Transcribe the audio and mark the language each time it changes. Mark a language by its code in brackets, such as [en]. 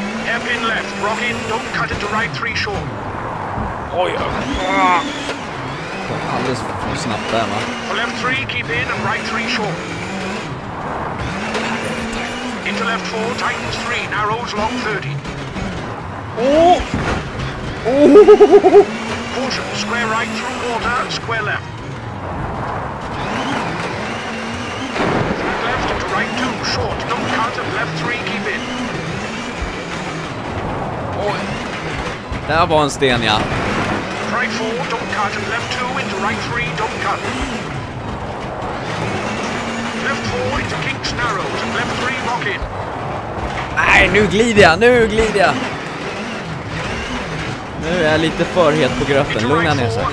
[en] Hairpin left, rock in, don't cut into right 3 short. [sv] Oj, oh, alldeles för snabbt där, va? [en] For left 3, keep in, and right 3 short. Into left 4, tightens 3, narrows long 30. Oh! Oh! Caution, square right through water, square left. Through left into right 2, short, don't cut, and left 3, keep in. [sv] Oj. Där var en sten, ja. [en] Right 4, don't cut, and left 2 into right 3, don't cut. Left 4 into kinks narrows, and left 3 rock in. [sv] Nej, nu glider jag. Nu är jag lite för het på gröten, lugna ner sig.